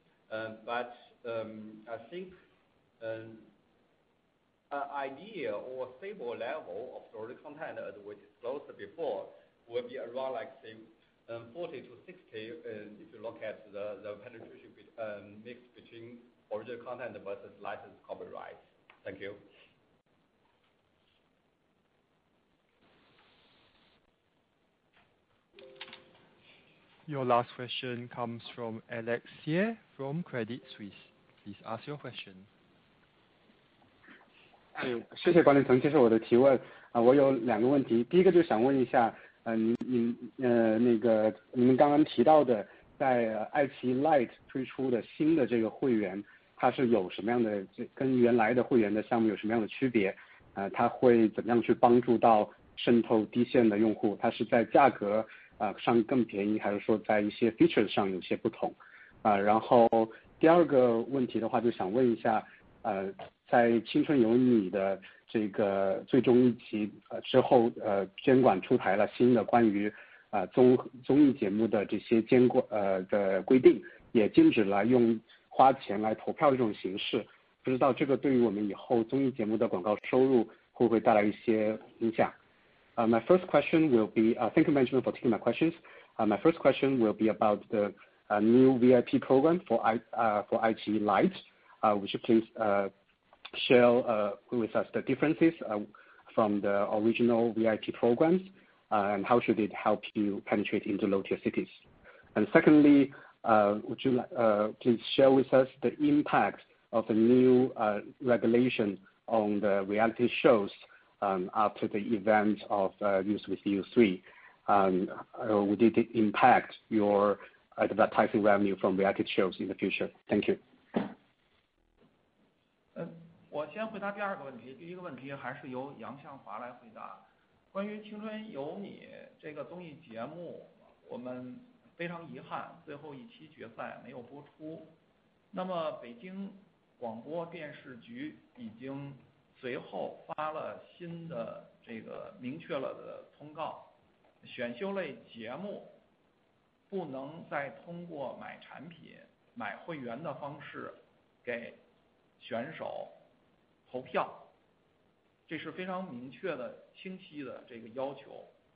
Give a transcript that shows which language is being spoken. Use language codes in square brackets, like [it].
[en] But I think an idea or stable level of the original content as we disclosed before will be around like say 40 to 60 if you look at the penetration mix between original content versus licensed copyright. Thank you. Your last question comes from Alex Ye from Credit Suisse. Please ask your question. [zh] 谢谢管理层接受我的提问。我有两个问题。第一个就想问一下，你们刚刚提到的在爱奇艺 Lite 推出的新的这个会员，它是有什么样的，跟原来的会员的项目有什么样的区别？它会怎么样去帮助到渗透低线的用户？它是在价格上更便宜，还是说在一些 features 上有些不同？然后第二个问题的话，就想问一下，在《青春有你》的这个最终一集之后，监管出台了新的关于综艺节目的这些监管的规定，也禁止了用花钱来投票这种形式。不知道这个对于我们以后综艺节目的广告收入会不会带来一些影响？ [en] My first question will be, thank you management for taking my questions. My first question will be about the new VIP program for IQIYI Lite. Would you please share with us the differences from the original VIP programs and how should it help you penetrate into low-tier cities? And secondly, would you please share with us the impact of the new regulation on the reality shows after the event of News with You 3, would it impact your advertising revenue from reality shows in the future? Thank you. [zh] 我先回答第二个问题。第一个问题还是由杨向华来回答。关于《青春有你》这个综艺节目，我们非常遗憾，最后一期决赛没有播出。那么北京广播电视局已经随后发了新的这个明确了的通告，选秀类节目不能再通过买产品买会员的方式给选手投票，这是非常明确的清晰的这个要求。